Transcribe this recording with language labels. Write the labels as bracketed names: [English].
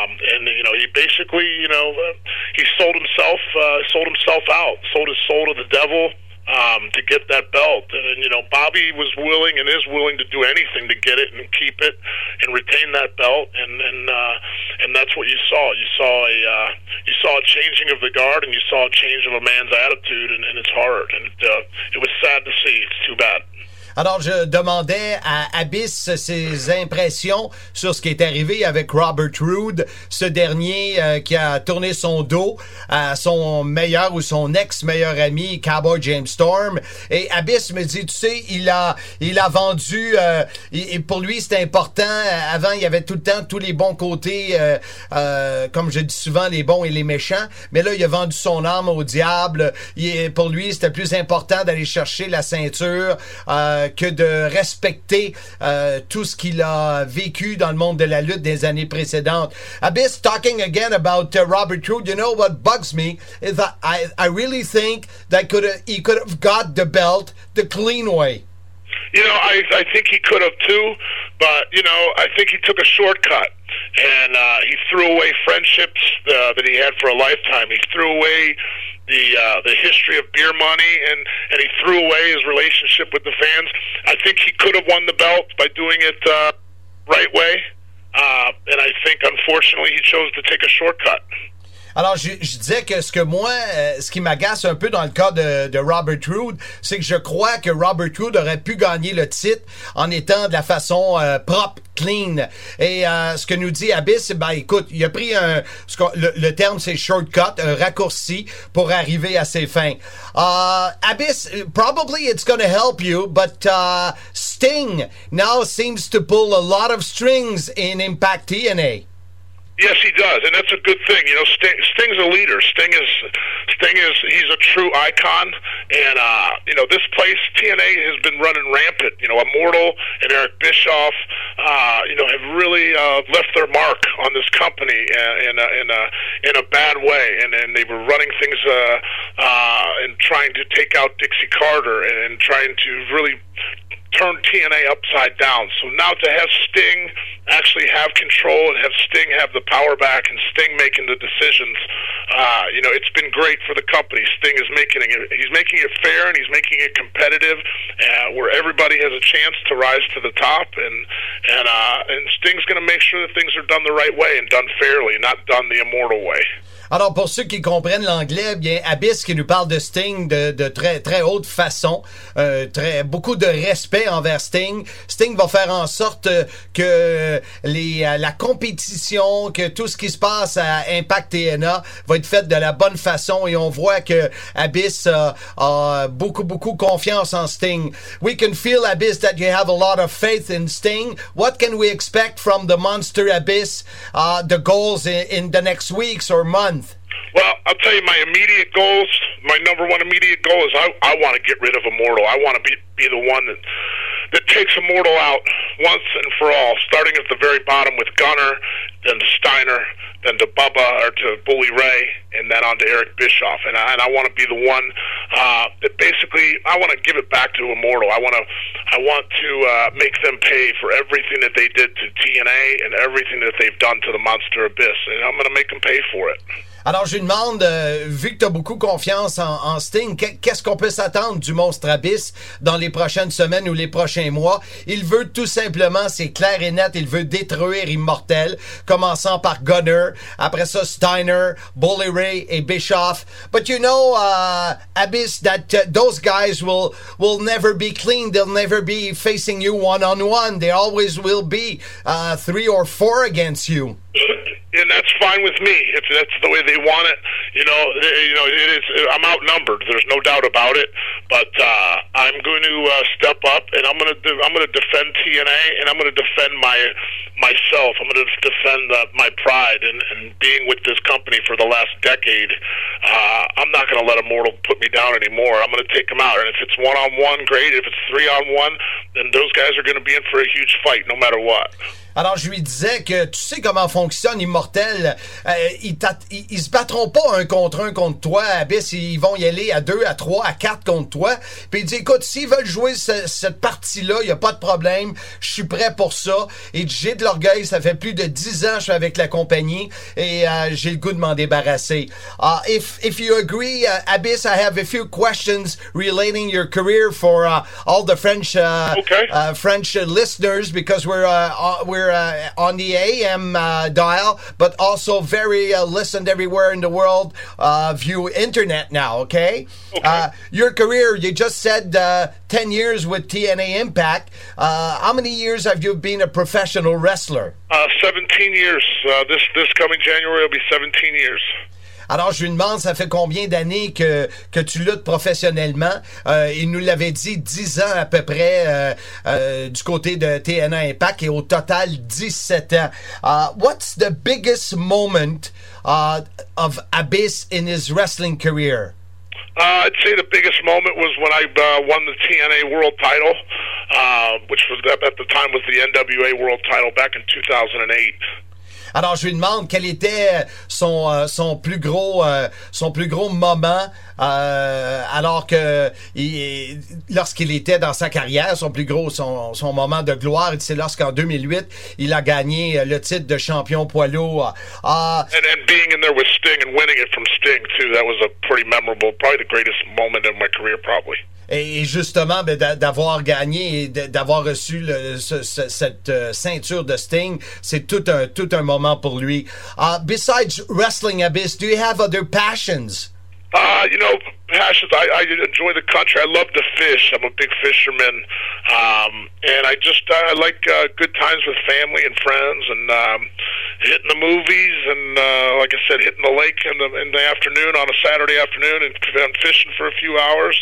[English] And, you know, he basically, you know, he sold himself out, sold his soul to the devil to get that belt. And, you know, Bobby was willing and is willing to do anything to get it and keep it and retain that belt. And that's what you saw. You saw a changing of the guard, and you saw a change of a man's attitude and his heart. And it was sad to see. It's too bad. [French] Alors, je demandais à Abyss ses impressions sur ce qui est arrivé avec Robert Roode, ce dernier qui a tourné son dos à son meilleur ou son ex-meilleur ami, Cowboy James Storm. Et Abyss me dit, tu sais, il a vendu, et pour lui, c'est important. Avant, il y avait tout le temps tous les bons côtés, comme je dis souvent, les bons et les méchants. Mais là, il a vendu son âme au diable. Pour lui, c'était plus important d'aller chercher la ceinture que de respecter tout ce qu'il a vécu dans le monde de la lutte des années précédentes. [English] Abyss, talking again about Robert Roode, you know what bugs me is that I really think that he could have got the belt the clean way. You know, I think he could have too, but, you know, I think he took a shortcut. And he threw away friendships that he had for a lifetime. He threw away the history of beer money, and he threw away his relationship with the fans. I think he could have won the belt by doing it the right way. And I think, unfortunately, he chose to take a shortcut. [French] Alors, je disais que ce qui m'agace un peu dans le cas de Robert Roode, c'est que je crois que Robert Roode aurait pu gagner le titre en étant de la façon propre, clean. Et ce que nous dit Abyss, ben écoute, il a pris le terme c'est shortcut, un raccourci pour arriver à ses fins. [English] Abyss, probably it's going to help you, but Sting now seems to pull a lot of strings in Impact TNA. Yes, he does, and that's a good thing. You know, Sting's a leader. He's a true icon, and, you know, this place, TNA, has been running rampant. You know, Immortal and Eric Bischoff, you know, have really left their mark on this company in a bad way, and they were running things and trying to take out Dixie Carter and trying to really turn TNA upside down. So now to have Sting actually have control and have Sting have the power back and Sting making the decisions, you know, it's been great for the company. Sting is making it fair, and he's making it competitive, where everybody has a chance to rise to the top, and Sting's going to make sure that things are done the right way and done fairly, not done the Immortal way. [French] Alors, pour ceux qui comprennent l'anglais, bien, Abyss qui nous parle de Sting de très, très haute façon, beaucoup de respect envers Sting. Sting va faire en sorte que la compétition, que tout ce qui se passe à Impact TNA va être fait de la bonne façon, et on voit que Abyss a beaucoup, beaucoup confiance en Sting. [English] We can feel, Abyss, that you have a lot of faith in Sting. What can we expect from the monster Abyss, the goals in the next weeks or months? Well, I'll tell you my immediate goals. My number one immediate goal is I want to get rid of Immortal. I want to be the one that takes Immortal out once and for all, starting at the very bottom with Gunner, then to Steiner, then to Bubba or to Bully Ray, and then on to Eric Bischoff. And I want to be the one that basically I want to give it back to Immortal. I want to make them pay for everything that they did to TNA and everything that they've done to the Monster Abyss, and I'm going to make them pay for it. [French] Alors, je lui demande, vu que tu as beaucoup confiance en Sting, qu'est-ce qu'on peut s'attendre du monstre Abyss dans les prochaines semaines ou les prochains mois? Il veut tout simplement, c'est clair et net, il veut détruire Immortel, commençant par Gunner, après ça Steiner, Bully Ray et Bischoff. [English] But you know, Abyss, that those guys will never be clean. They'll never be facing you one-on-one. They always will be three or four against you. And that's fine with me. If that's the way they want it, you know, it is. I'm outnumbered. There's no doubt about it. But I'm going to step up, and I'm going to defend TNA, and I'm going to defend myself. I'm going to defend my pride and being with this company for the last decade. I'm not going to let a mortal put me down anymore. I'm going to take them out. And if it's one on one, great. If it's three on one, then those guys are going to be in for a huge fight, no matter what. [French] Alors, je lui disais que tu sais comment fonctionne Immortel. Ils se battront pas un contre toi, Abyss. Ils vont y aller à deux, à trois, à quatre contre toi. Puis il dit, écoute, s'ils veulent jouer cette partie-là, il n'y a pas de problème. Je suis prêt pour ça. Et j'ai de l'orgueil. Ça fait plus de 10 ans que je suis avec la compagnie. Et j'ai le goût de m'en débarrasser. [English] If you agree, Abyss, I have a few questions relating your career for all the French, French listeners, because we're on the AM dial, but also very listened everywhere in the world via internet now, okay? Okay. Your career, you just said 10 years with TNA Impact. How many years have you been a professional wrestler? 17 years. This coming January will be 17 years. [French] Alors, je lui demande, ça fait combien d'années que tu luttes professionnellement? Il nous l'avait dit, 10 ans à peu près du côté de TNA Impact, et au total, 17 ans. [English] What's the biggest moment of Abyss in his wrestling career? I'd say the biggest moment was when I won the TNA World title, which was at the time was the NWA World title back in 2008. [French] Alors, je lui demande quel était son plus gros moment lorsqu'il était dans sa carrière, son plus gros moment de gloire. C'est lorsqu'en 2008, il a gagné le titre de champion poids lourd. [English] And being in there with Sting and winning it from Sting too, that was a pretty memorable, probably the greatest moment of my career probably. [French] Et justement, ben, d'avoir gagné et d'avoir reçu cette ceinture de Sting, c'est tout un moment pour lui. [English] Besides wrestling, Abyss, do you have other passions? You know, passions, I enjoy the country. I love to fish. I'm a big fisherman. And I just, I like good times with family and friends and hitting the movies and, like I said, hitting the lake in the afternoon, on a Saturday afternoon, and I'm fishing for a few hours.